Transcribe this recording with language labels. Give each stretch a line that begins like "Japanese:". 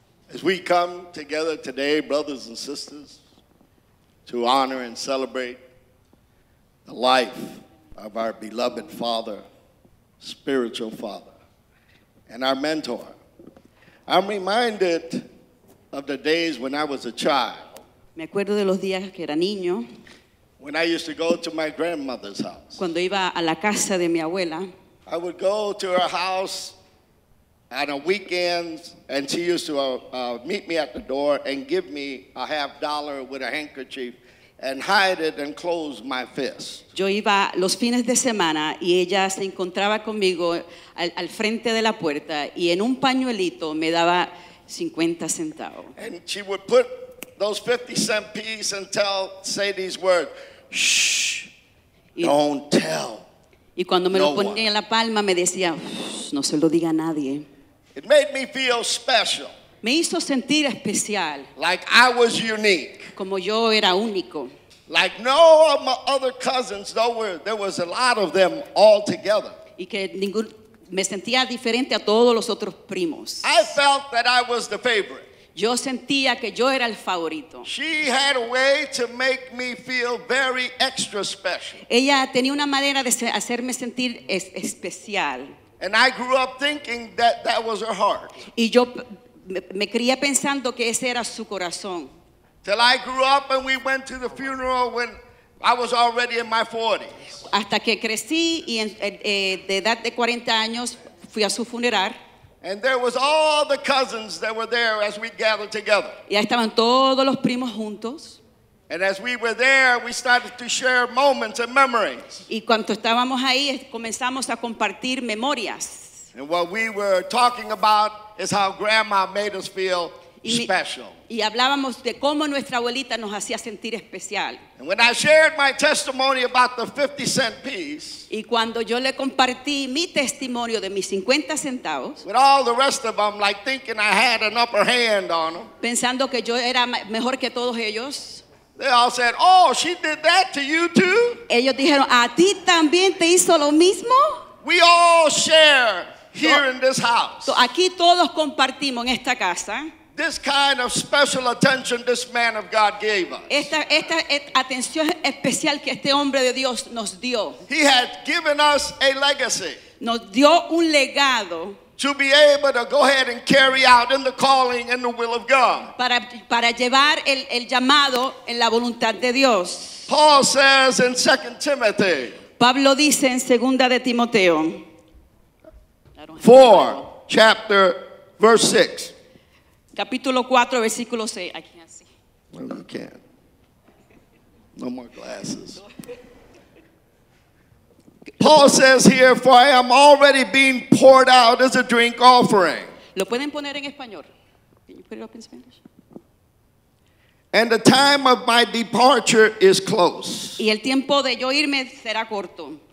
English: As we come together today, brothers and sisters, to honor and celebrate the life of our beloved father, spiritual father, and our mentor. I'm reminded of the days when I was a child.
Spanish: Me acuerdo de los días que era niño.
English: When I used to go to my grandmother's house.
Spanish: Cuando iba a la casa de mi abuela.
English: I would go to her house on a weekend, and she used to meet me at the door and give me a half dollar with a handkerchief and hide it and close my fist.
Spanish: Yo iba los fines de semana y ella se encontraba conmigo al frente de la puerta y en un pañuelito me daba 50 centavos.
English: And she would put those 50 cent piece and say these words, shh, don't tell.
Spanish: Y cuando me lo ponía en la palma me decía, no se lo diga a nadie.
English: It made me feel special.
Spanish: Me hizo sentir especial.
English: Like I was unique.
Spanish: Como yo era único.
English: Like no of my other cousins, there was a lot of them all together.
Spanish: Y que ningún, me sentía diferente a todos los otros primos.
English: I felt that I was the favorite.
Spanish: Yo sentía que yo era el favorito.
English: She had a way to make me feel very extra special.
Spanish: Ella tenía una manera de hacerme sentir especial.
English: And I grew up thinking that that was her heart.
Spanish: Y yo me crié pensando que ese era su corazón.
English: Till I grew up and we went to the funeral when I was already in my 40s.
Spanish: Hasta que crecí y de edad de 40 años fui a su funeral.
English: And there was all the cousins that were there as we gathered together.
Spanish: Y ahí estaban todos los primos juntos.
English: And as we were there, we started to share moments and memories.
Spanish: Y cuando estábamos ahí, comenzamos a compartir memorias.
English: And what we were talking about is how Grandma made us feel special.
Spanish: Y hablábamos de cómo nuestra abuelita nos hacía sentir especial.
English: And when I shared my testimony about the 50 cent piece,
Spanish: y cuando yo le compartí mi testimonio de mis 50 centavos,
English: with all the rest of them, like thinking I had an upper hand on them,
Spanish: pensando que yo era mejor que todos ellos,
English: they all said, oh, she did that to you too?
Spanish: Ellos dijeron, ¿a ti también te hizo lo mismo?
English: We all share here in this house.
Spanish: So aquí todos compartimos en esta casa.
English: This kind of special attention this man of God gave us.
Spanish: Esta atención especial que este hombre de Dios nos dio.
English: He had given us a legacy.
Spanish: Nos dio un legado.
English: To be able to go ahead and carry out in the calling and the will of God.
Spanish: Para llevar el llamado en la voluntad de Dios.
English: Paul says in 2 Timothy.
Spanish: Pablo dice en segunda de Timoteo.
English: 4, chapter, verse 6.
Spanish: Capítulo 4, versículo 6.
English: I can't see. Well, you can't. No more glasses. Paul says here, for I am already being poured out as a drink offering.
Spanish: ¿Lo pueden poner en español?
English: Can you put it up in Spanish? And the time of my departure is close.
Spanish: Y el tiempo de yo irme será corto.